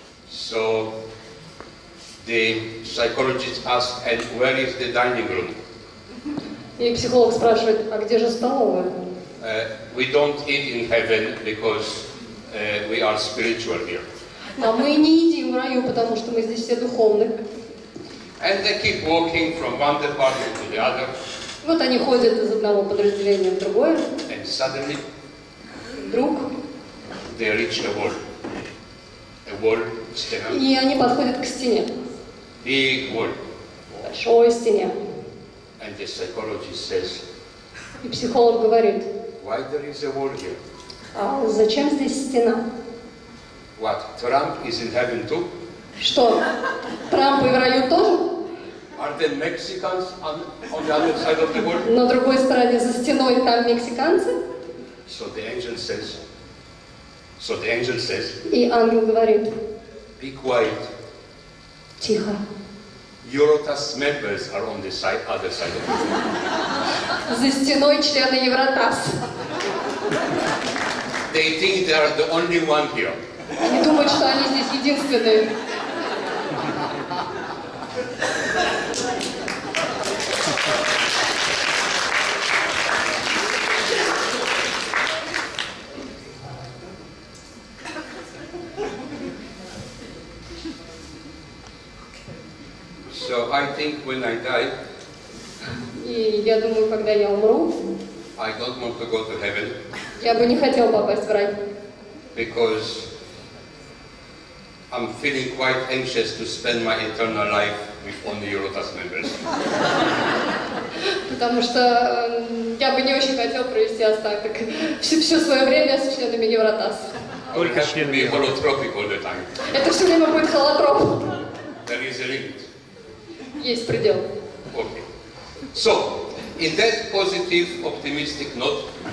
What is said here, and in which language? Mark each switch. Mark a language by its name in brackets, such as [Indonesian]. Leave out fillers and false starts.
[English] So the psychologist asks, and where is the dining room? [Russian] И психолог спрашивает, а где же столовая? [English] We don't eat in heaven because we are spiritual here. [Russian] А мы не едим в раю, потому что мы здесь все духовны. [English] And they keep walking from one department to the other. [Russian] Вот они ходят из одного подразделения в другое. [English] And suddenly, [Russian] вдруг, [English] they reach a wall stand. [Russian] И они подходят к стене. [English] Big wall. [Russian] Большой стене. [English] And the psychologist says, [Russian] и психолог говорит, [English] why there is a wall here? [Russian] А зачем здесь стена? [English] What? Trump is in heaven too? [Russian] Что? Трамп и в раю тоже? [English] Are there Mexicans on the other side of the world? [Russian] На другой стороне за стеной там мексиканцы? [English] So the angel says. [Russian] И ангел говорит. [English] Be quiet. [Russian] Тихо. [English] Eurotas members are on the side, other side of the world. [Russian] За стеной члены Евротас. [English] They think they are the only one here. [Russian] Они думают, что они здесь единственные. [English] So I think when I die, [Russian] и я думаю, когда я умру, [English] I don't want to go to heaven. [Russian] Я бы не хотел попасть в рай. [English] Because I'm feeling quite anxious to spend my eternal life with only Eurotas members. [Russian] Потому что я бы не очень хотел провести остаток все свое время с членами Eurotas. Только [English] should be holotropic all the time. [Russian] Это все время будет холотроп. [English] There is a limit. [Russian] Есть предел. [English] Okay. So, in that positive, optimistic note.